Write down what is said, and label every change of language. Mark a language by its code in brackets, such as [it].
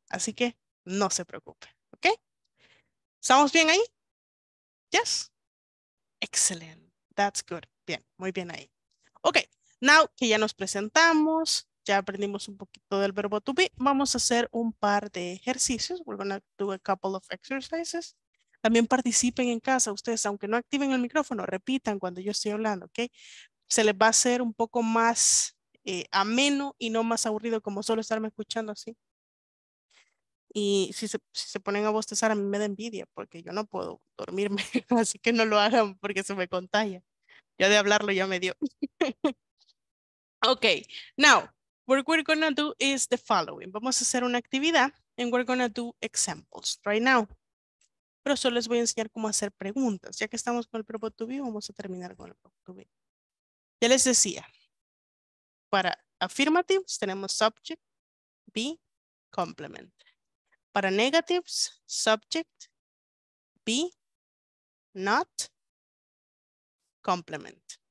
[es] Así que no se preocupe, ¿ok? ¿Estamos bien ahí? [en] Yes. Excellent. That's good. [es] Bien, muy bien ahí. Ok, now que ya nos presentamos, ya aprendimos un poquito del verbo to be, vamos a hacer un par de ejercicios. [en] We're going to do a couple of exercises. [es] También participen en casa, ustedes, aunque no activen el micrófono, repitan cuando yo estoy hablando, ¿ok? Se les va a hacer un poco más ameno y no más aburrido como solo estarme escuchando así. Y si se ponen a bostezar, a mí me da envidia porque yo no puedo dormirme, así que no lo hagan porque se me contagia. Ya de hablarlo ya me dio. [en] Ok, now, what we're gonna do is the following. [es] Vamos a hacer una actividad [en] and we're gonna do examples right now. [es] Pero solo les voy a enseñar cómo hacer preguntas. Ya que estamos con el verbo to be, vamos a terminar con el verbo to be. Ya les decía, para affirmatives tenemos subject, be, complement. Para negatives, subject, be, not, complement.